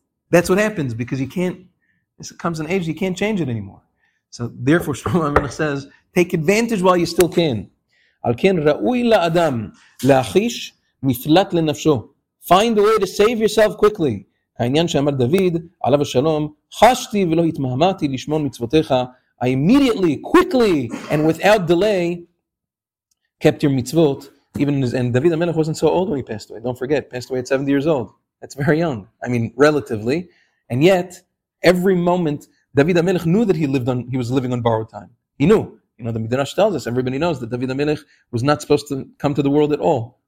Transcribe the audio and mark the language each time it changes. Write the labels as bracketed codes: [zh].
[en] That's what happens, because you can't, as it comes an age, you can't change it anymore. So therefore, Shlomo HaMelech says, take advantage while you still can. [he] Al ken ra'ui la'adam la'achish miflat lenafsho. [en] Find a way to save yourself quickly. [he] העניין שאמר דוד, עליו השלום, חשתי ולא התמהמתי לשמור מצוותיך, [en] I immediately, quickly, and without delay, kept your mitzvot. Even his, and David HaMelech wasn't so old when he passed away. Don't forget, passed away at 70 years old. That's very young. I mean, relatively. And yet, every moment, David HaMelech knew that he was living on borrowed time. He knew. You know, the Midrash tells us, everybody knows that David HaMelech was not supposed to come to the world at all.